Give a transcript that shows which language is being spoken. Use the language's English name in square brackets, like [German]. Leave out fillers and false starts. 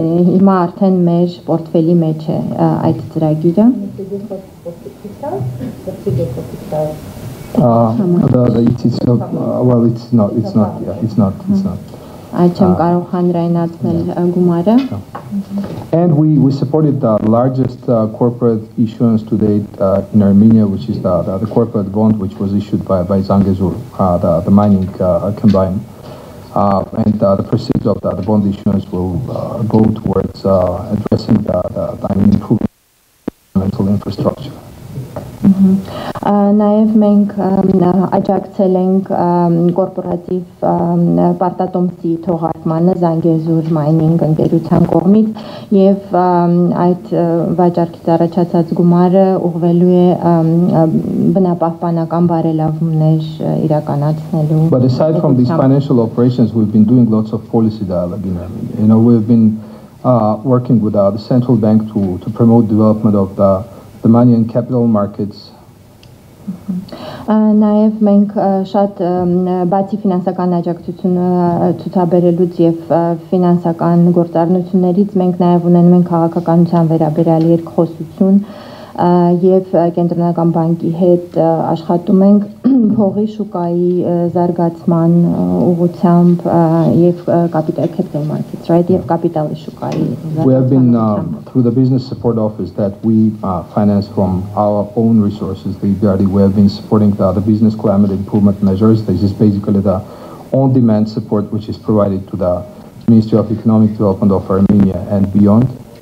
[Armenian] հիմա արդեն մեր պորտֆելի մեջ է այդ ծրագիրը։ Այդ չեմ կարող հանրայնացնել գումարը։ [English] And we supported the largest corporate issuance to date in Armenia, which is the corporate bond which was issued by Zangezur, the mining combine, and the proceeds of the bond issuance will go towards addressing the improving environmental infrastructure. [Armenian] Նաև մենք աջակցել ենք կորպորատիվ պարտատոմսի թողարկմանը Զանգեզուր Mining ընկերության կողմից եւ այդ վաճառքից առաջացած գումարը ուղղվելու է բնապահպանական բարելավումներ իրականացնելու։ [English] But aside from these financial operations, we've been doing lots of policy dialogue in Armenia. You know, we've been working with the central bank to promote development of the money and capital markets. [Armenian] Նաև մենք շատ բացի ֆինանսական աջակցությունը ցուցաբերելուց եւ ֆինանսական գործառնություններից մենք նաև ունենում ենք քաղաքականության վերաբերյալ երկխոսություն եւ կենտրոնական բանկի հետ աշխատում ենք փողի շուկայի զարգացման ուղղությամբ եւ [English] capital markets, right? [Armenian] Եւ կապիտալի շուկայի զարգացման. [English] We have been through the business support office that we finance from our own resources, the EBRD. We have been supporting the business climate improvement measures. This is basically the on-demand support which is provided to the Ministry of Economic Development of Armenia and beyond.